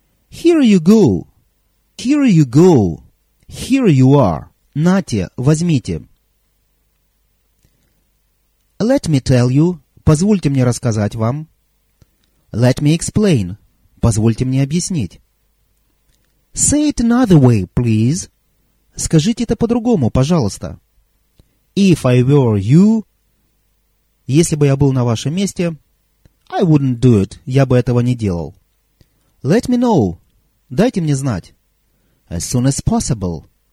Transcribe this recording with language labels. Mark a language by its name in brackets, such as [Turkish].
[English] Here you go. Here you go. Here you are. [Russian] Нате, возьмите. [English] Let me tell you. [Russian] Позвольте мне рассказать вам. [English] Let me explain. [Russian] Позвольте мне объяснить. [English] Say it another way, please. [Russian] Скажите это по-другому, пожалуйста. [English] If I were you, [Russian] если бы я был на вашем месте, [English] I wouldn't do it, [Russian] я бы этого не делал. [English] Let me know, [Russian] дайте мне знать. [English] As soon as possible,